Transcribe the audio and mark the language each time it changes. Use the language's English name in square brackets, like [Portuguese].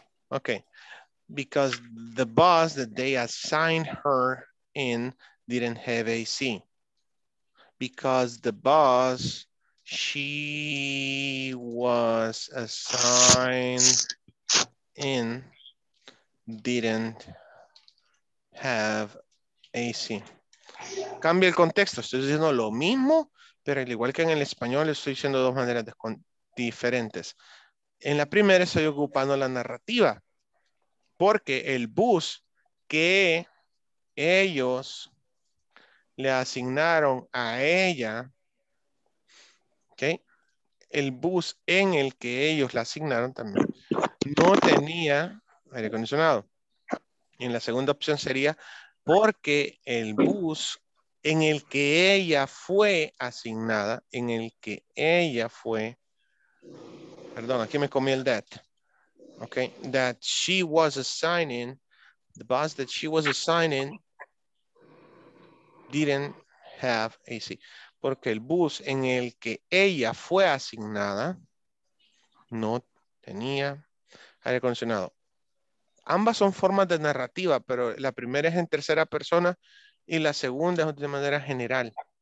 [English] Okay, because the bus that they assigned her in didn't have AC. Because the bus she was assigned in didn't have AC. [Spanish] Cambia el contexto. Estoy diciendo lo mismo, pero al igual que en el español, estoy diciendo dos maneras diferentes. En la primera estoy ocupando la narrativa. Porque el bus que ellos le asignaron a ella, ¿okay? El bus en el que ellos la asignaron también, no tenía aire acondicionado. Y en la segunda opción sería, porque el bus en el que ella fue asignada, en el que ella fue, perdón, aquí me comí el that. [English] Okay, that she was assigning, the bus that she was assigning didn't have AC. [Spanish] Porque el bus en el que ella fue asignada no tenía aire acondicionado. Ambas son formas de narrativa, pero la primera es en tercera persona y la segunda es de manera general.